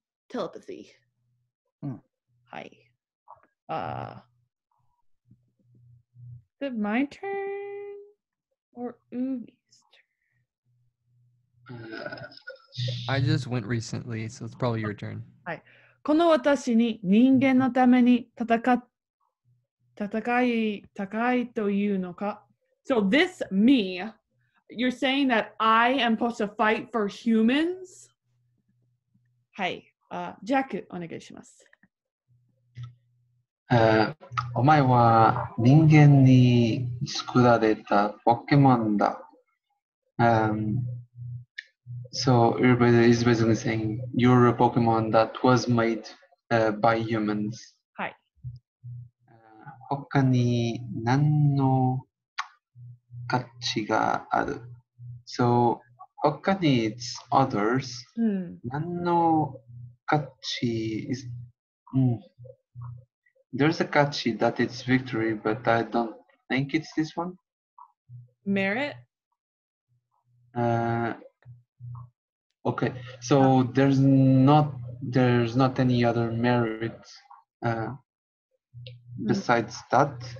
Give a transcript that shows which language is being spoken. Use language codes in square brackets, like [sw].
[en] Telepathy. Mm. Hi. Is it my turn? Or Ubi's turn? I just went recently, so it's probably your turn. Hi. [ja] この私に人間のために戦いというのか? [en] So this me, you're saying that I am supposed to fight for humans? [ja] はい。ジャック、お願いします。お前は人間に作られたポケモンだ。 [en] So everybody is basically saying you're a Pokemon that was made by humans. [ja] はい。他に何の価値がある? So, 他に [en] others、 [ja] 何の価値 [en] is、there's a 価値 that it's victory, but I don't think it's this one. Merit? Okay, so there's not any other merit、besides that.